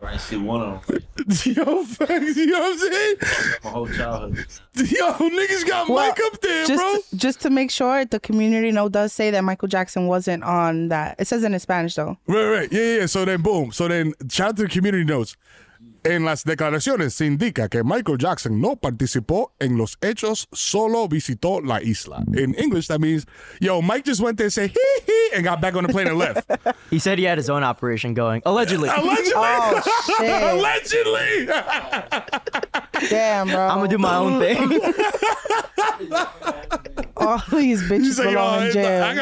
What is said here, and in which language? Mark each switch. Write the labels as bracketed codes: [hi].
[en] I see one of them. Yo, facts, you know what I'm saying? My whole childhood. Yo, niggas got Mike up there, just, bro. Just to make sure, the community note does say that Michael Jackson wasn't on that. It says it in Spanish, though. Right. Yeah. So then, boom. So then, shout out to the community notes. [es] En las declaraciones se indica que Michael Jackson no participó en los hechos, solo visitó la isla. [en] In English, that means, yo, Mike just went there and said, hee hee, and got back on the plane and left. He said he had his own operation going. Allegedly. Allegedly. Damn, bro. I'm going to do my own thing. All these bitches belong in jail.